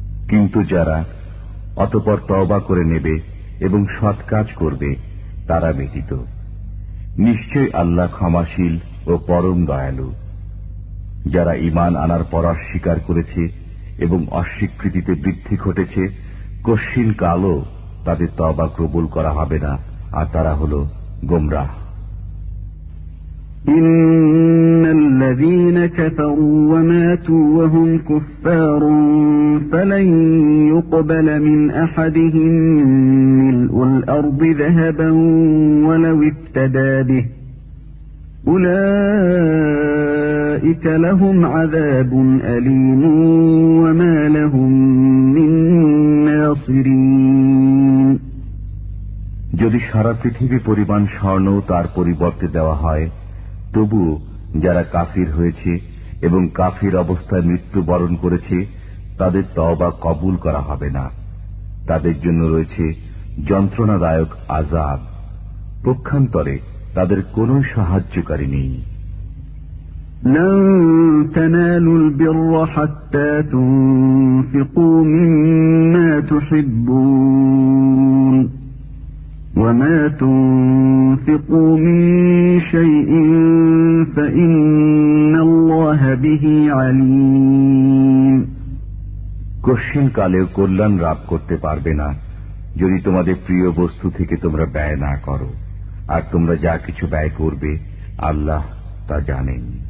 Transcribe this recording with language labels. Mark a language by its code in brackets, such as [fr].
[bn] কিন্তু যারা অতপর তওবা করে নেবে এবং সৎ কাজ করবে তারা ব্যতীত নিশ্চয় আল্লাহ ক্ষমাশীল ও পরম দয়ালু। যারা ঈমান আনার পর অস্বীকার করেছে এবং অস্বীকৃতিতে বৃদ্ধি ঘটেছে কশিন কালও তাদের তওবা কবুল করা হবে না, আর তারা হল গোমরাহ। [ar] إن الذين كفروا وماتوا وهم كفار فلن يقبل من أحدهم ملء الأرض ذهبا ولو افتدى به أولئك لهم عذاب أليم وما لهم من ناصرين [bn] যদি সারা পৃথিবী পরিমাণ স্বর্ণ তার পরিবর্তে দেওয়া হয় তবুও যারা কাফির হয়েছে এবং কাফির অবস্থায় মৃত্যুবরণ করেছে তাদের তওবা কবুল করা হবে না, তাদের জন্য রয়েছে যন্ত্রণাদায়ক আজাব, পক্ষান্তরে তাদের কোন সাহায্যকারী নেই। [ar] لن تنالوا البر حتى تنفقوا مما تحبون وما تنفقوا من شيء فإن الله به عليم [bn] কোশ্চিন কালের কল্যাণ রাব করতে পারবে না যদি তোমাদের প্রিয় বস্তু থেকে তোমরা ব্যয় না করো আর তোমরা যা কিছু ব্যয় করবে আল্লাহ তা জানেন